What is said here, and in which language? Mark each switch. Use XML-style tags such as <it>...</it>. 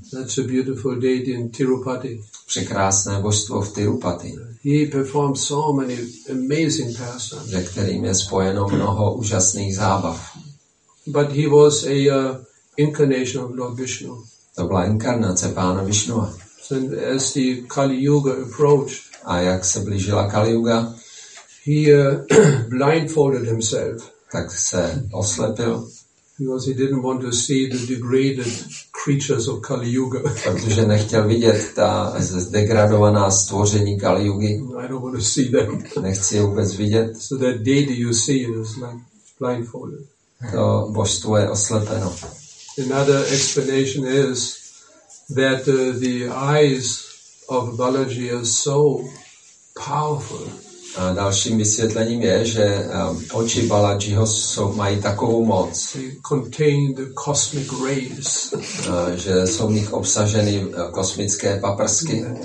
<en>That's a beautiful deity in Tirupati.</en> <cs>Překrásné božstvo v Tirupati.</cs> <en>He performs so many amazing pastimes.</en> <cs>Ve kterým je spojeno mnoho úžasných zábav.</cs> <en>But he was a incarnation of Lord Vishnu.</en> <cs>To byla inkarnace pána Vishnu.</cs> <en>So as the Kali Yuga approached,</en> <cs>a jak se blížila Kali Yuga,</cs> <en>he blindfolded himself.</en> <cs>Tak se oslepil.</cs> <en>Because he didn't want to see the degraded creatures of Kali Yuga.</en> <cs>Protože nechtěl vidět ta zdegradovaná stvoření Kali Yugi.</cs> <en>I don't want to see them.</en> <cs>Nechci je vůbec vidět.</cs> <en>So that deity you see is like blindfolded.</en> <cs>To božstvo je oslepeno.</cs> <en>Another explanation is that the eyes of Balaji are so powerful.</en> <cs>A dalším vysvětlením je, že oči Balajiho mají takovou moc,</cs> <en>the cosmic rays.</en> <cs>Že jsou v nich obsaženy kosmické paprsky.</cs>